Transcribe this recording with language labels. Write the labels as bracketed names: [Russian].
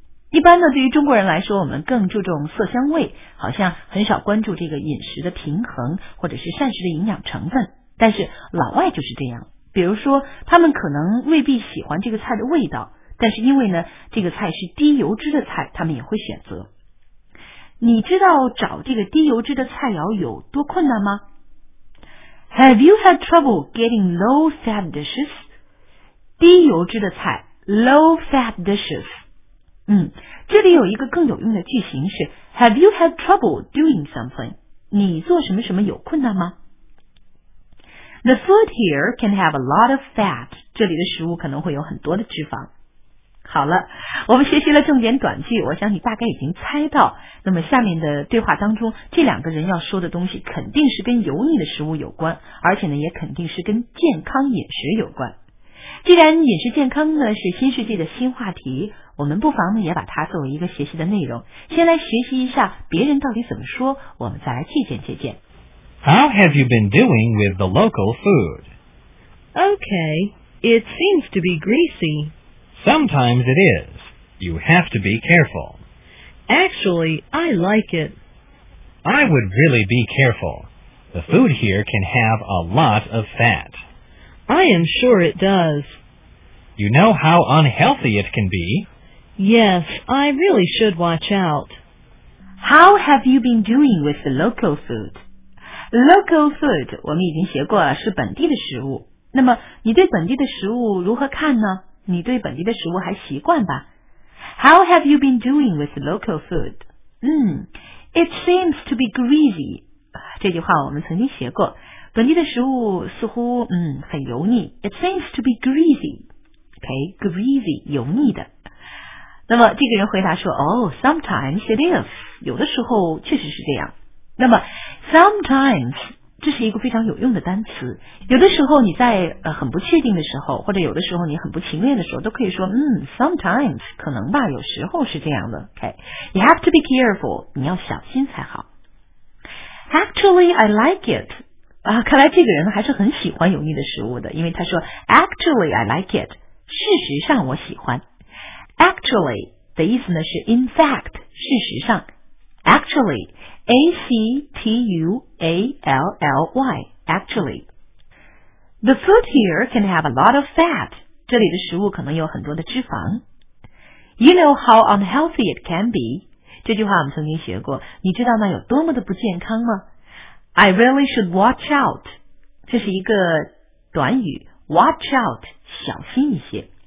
[Chinese] 一般呢对于中国人来说，我们更注重色香味，好像很少关注这个饮食的平衡或者是膳食的营养成分，但是老外就是这样。比如说他们可能未必喜欢这个菜的味道，但是因为呢这个菜是低油脂的菜，他们也会选择。你知道找这个低油脂的菜肴有多困难吗？ [English] Have you had trouble getting low fat dishes? [Chinese] 低油脂的菜 [English] low fat dishes。 [Chinese] 这里有一个更有用的句型是 [English] Have you had trouble doing something? [Chinese] 你做什么什么有困难吗？ [English] The food here can have a lot of fat。 [Chinese] 这里的食物可能会有很多的脂肪。好了，我们学习了重点短句，我想你大概已经猜到，那么下面的对话当中，这两个人要说的东西肯定是跟油腻的食物有关，而且呢，也肯定是跟健康饮食有关。既然饮食健康呢，是新世纪的新话题，我们不妨呢，也把它作为一个学习的内容，先来学习一下别人到底怎么说，我们再来借鉴借鉴。 [English] How have you been doing with the local food? Okay, it seems to be greasy. Sometimes it is. You have to be careful. Actually, I like it. I would really be careful. The food here can have a lot of fat. I am sure it does. You know how unhealthy it can be. Yes, I really should watch out. How have you been doing with the local food? [Chinese] Local food 我们已经学过了，是本地的食物。那么你对本地的食物如何看呢？你对本地的食物还习惯吧？ [English] How have you been doing with the local food? It seems to be greasy. [Chinese] 这句话我们曾经学过，本地的食物似乎很油腻。 [English] It seems to be greasy. Okay, greasy, [Chinese] 油腻的。那么这个人回答说， [English] Oh, sometimes it is. [Chinese] 有的时候确实是这样。那么 sometimes 这是一个非常有用的单词。有的时候你在很不确定的时候，或者有的时候你很不情愿的时候，都可以说sometimes 可能吧，有时候是这样的。 [English] Okay, you have to be careful. [Chinese] 你要小心才好。 [English] Actually, I like it. [Chinese] 啊，看来这个人还是很喜欢油腻的食物的，因为他说 [English] Actually, I like it. [Chinese] 事实上我喜欢。Actually 的意思呢是 [English] in fact, [Chinese] 事实上。 [English] Actually, A-C-T-U-A-L-L-Y, actually. The food here can have a lot of fat. [Chinese] 这里的食物可能有很多的脂肪。 [English] You know how unhealthy it can be. [Chinese] 这句话我们曾经学过，你知道那有多么的不健康吗？ [English] I really should watch out. [Chinese] 这是一个短语， watch out, 小心一些。